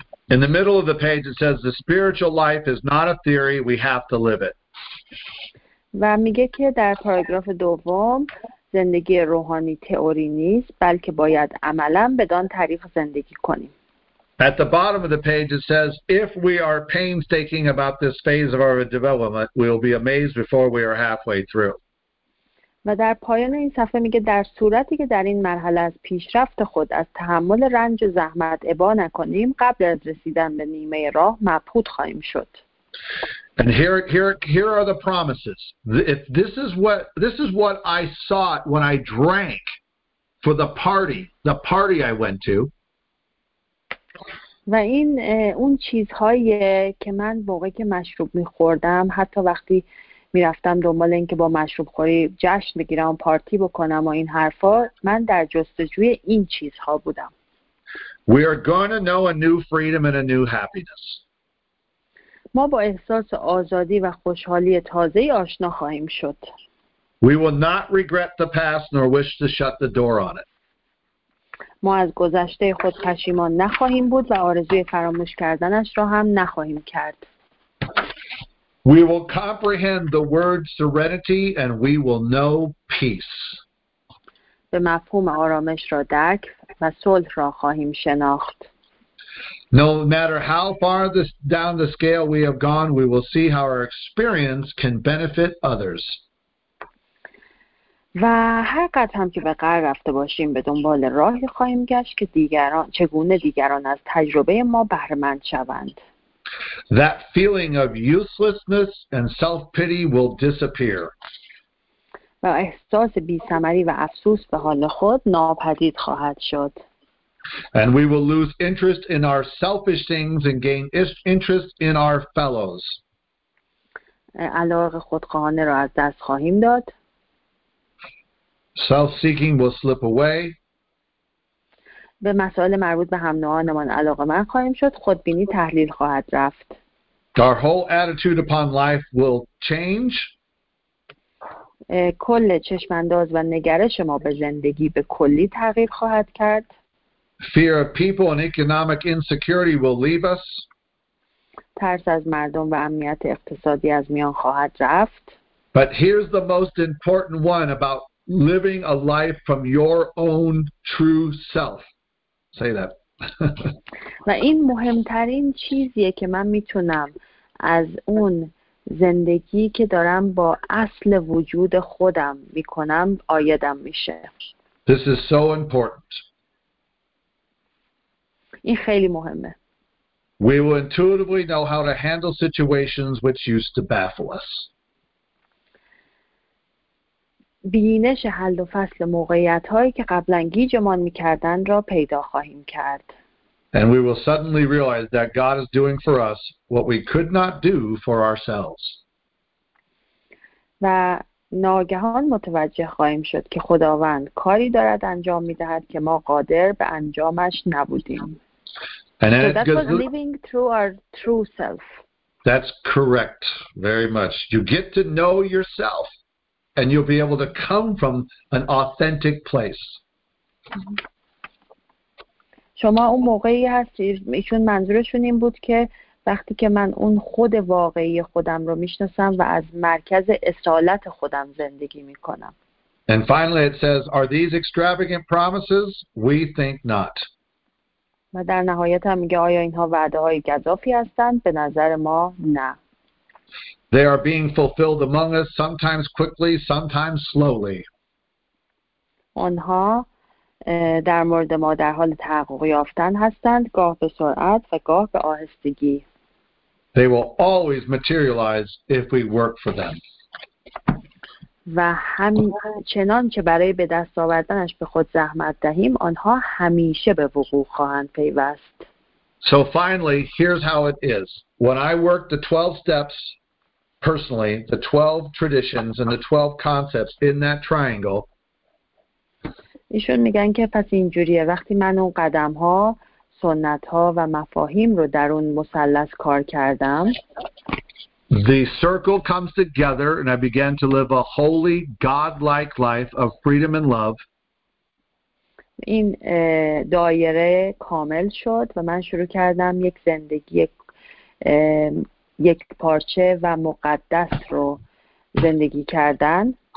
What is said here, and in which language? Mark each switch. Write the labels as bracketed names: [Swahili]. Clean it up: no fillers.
[English] In the middle of the page it says the spiritual life is not a theory, we have to live it. [Persian] و میگه که در پاراگراف دوم زندگی روحانی تئوری نیست، بلکه باید عملا بدان تعریف زندگی کنیم. [English] At the bottom of the page it says if we are painstaking about this phase of our development, we will be amazed before we are halfway through. [Persian] و در پایان این صفحه میگه در صورتی که در این مرحله از پیشرفت خود از تحمل رنج و زحمت ابا نکنیم، قبل از رسیدن به نیمه راه مبهوت خواهیم شد. [English] And here are the promises. If this is what I sought when I drank for the party I went to. [Persian] و این اون چیزهایی که من موقعی که مشروب می‌خوردم، حتی وقتی می‌رفتم دنبال این که با مشروب خوری جشن بگیرم، پارتی بکنم و این حرفا، من در جستجوی این چیزها بودم. [English] We are going to know a new freedom and a new happiness. [Persian] ما با احساس آزادی و خوشحالی تازه آشنا خواهیم شد. [English] We will not regret the past nor wish to shut the door on it. [Persian] ما از گذشته خود پشیمان نخواهیم بود و آرزوی فراموش کردنش را هم نخواهیم کرد. [English] We will comprehend the word serenity and we will know peace. [Persian] به مفهوم آرامش را درک و صلح را خواهیم شناخت. [English] No matter how far this down the scale we have gone, we will see how our experience can benefit others. [Persian] و هر قدر هم که به غرب رفته باشیم، به دنبال راهی خواهیم گشت که چگونه دیگران از تجربه ما بهره‌مند شوند. [English] That feeling of uselessness and self-pity will disappear. [Persian] و احساس بی‌ثمری و افسوس به حال خود ناپدید خواهد شد. [English] And we will lose interest in our selfish things and gain interest in our fellows. [Persian] علاقه خودخواهانه را از دست خواهیم داد. [English] Self-seeking will slip away. [Persian] به مسائل مربوط به هم نوعانمان علاقه من خواهیم شد، خودبینی تحلیل خواهد رفت. [English] Our whole attitude upon life will change. [Persian] کل چشمانداز و نگرش ما به زندگی به کلی تغییر خواهد کرد. [English] Fear of people and economic insecurity will leave us. [Persian] ترس از مردم و امنیت اقتصادی از میان خواهد رفت. [English] But here's the most important one about living a life from your own true self. Say that. [Persian] و این مهمترین چیزیه که من میتونم از اون زندگی که دارم با اصل وجود خودم میکنم آیدم میشه. [English] This is so important. [Persian] این خیلی مهمه. [English] We will intuitively know how to handle situations which used to baffle us. [Persian] بینش حل و فصل موقعیت‌هایی که قبلاً گیجمان می‌کردند را پیدا خواهیم کرد. [English] And we will suddenly realize that God is doing for us what we could not do for ourselves. [Persian] و ناگهان متوجه خواهیم شد که خداوند کاری دارد انجام می‌دهد که ما قادر به انجامش نبودیم. [English] And so that was living through our true self. That's correct, very much. You get to know yourself and you'll be able to come from an authentic place. [Persian] شما اون موقعی هستید، ایشون منظورشون این بود که وقتی که من اون خود واقعی خودم رو میشناسم و از مرکز اصالت خودم زندگی میکنم. [English] And finally it says, are these extravagant promises? We think not. [Persian] و در نهایت هم میگه آیا اینها وعده های گزافی هستند؟ به نظر ما نه. [English] They are being fulfilled among us sometimes quickly, sometimes slowly. [Persian] آنها در مورد ما در حال تحقق یافتن هستند، گاه به سرعت و گاه به آهستگی. [English] They will always materialize if we work for them. [Persian] و همچنان که برای به دست آوردنش به خود زحمت دهیم آنها همیشه به وقوع خواهند پیوست. [English] So finally, here's how it is. When I work the 12 steps personally, the 12 traditions and the 12 concepts in that triangle. [Persian] ایشون میگن که پس اینجوریه وقتی من اون قدم‌ها، سنت‌ها و مفاهیم رو در اون مثلث کار کردم، [English] the circle comes together and I began to live a holy, God-like life of freedom and love. [Persian] این دایره کامل شد و من شروع کردم یک زندگی یک پارچه و مقدس رو زندگی کردن.